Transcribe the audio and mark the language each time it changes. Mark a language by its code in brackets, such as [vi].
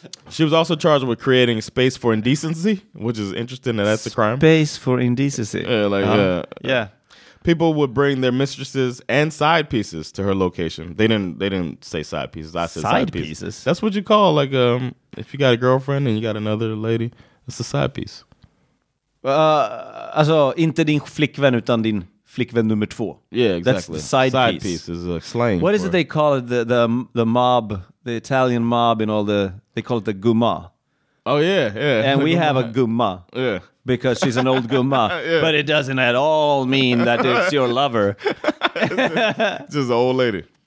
[en] She was also charged with creating space for indecency, which is interesting that that's a crime. Space for indecency. Yeah. People would bring their mistresses and side pieces to her location. They didn't say side pieces. I said side pieces. That's what you call, like, if you got a girlfriend and you got another lady, it's a side piece. [sv] Alltså, inte din flickvän utan din flickvän nummer två. [en] Yeah, exactly. That's the side piece is a slang. What is it they call it? The mob, the Italian mob and all the... They call it the gumma. Oh, yeah, yeah. And we have a gumma. Yeah. Because she's an old gumma. Yeah. But it doesn't at all mean that it's your lover. Just an old lady.